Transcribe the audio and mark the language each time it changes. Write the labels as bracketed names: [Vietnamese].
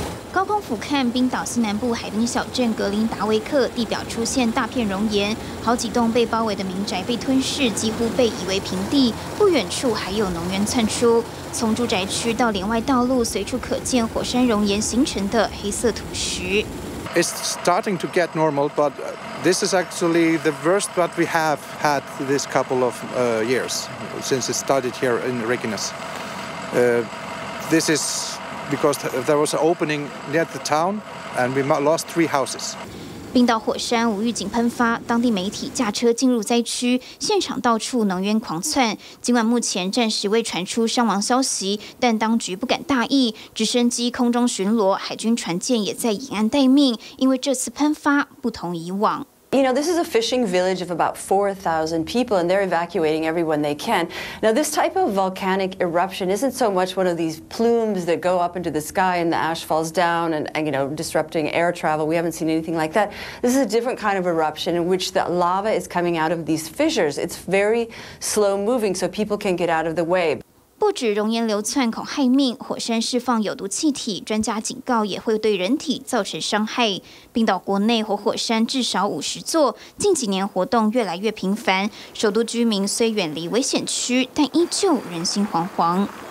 [Chinese] 高空俯瞰冰岛西南部海滨小镇格林达维克，地表出现大片熔岩，好几栋被包围的民宅被吞噬，几乎被夷为平地，不远处还有浓烟窜出，从住宅区到连外道路随处可见火山熔岩形成的黑色土石。 [English] It's starting to get normal, but this is actually the worst that we have had this couple of years since it started here in Reykjanes. This isis because there was an opening near the town, and we lost 3 houses. [Chinese] 冰岛火山无预警喷发，当地媒体驾车进入灾区，现场到处浓烟狂窜。尽管目前暂时未传出伤亡消息，但当局不敢大意，直升机空中巡逻，海军船舰也在沿岸待命，因为这次喷发不同以往。 [English] You know, this is a fishing village of about 4,000 people, and they're evacuating everyone they can. Now, this type of volcanic eruption isn't so much one of these plumes that go up into the sky and the ash falls down and you know, disrupting air travel. We haven't seen anything like that. This is a different kind of eruption in which the lava is coming out of these fissures. It's very slow moving, so people can get out of the way. [Chinese] 不止熔岩流窜恐害命，火山释放有毒气体，专家警告也会对人体造成伤害。冰岛国内活火山至少50座，近几年活动越来越频繁。首都居民虽远离危险区，但依旧人心惶惶。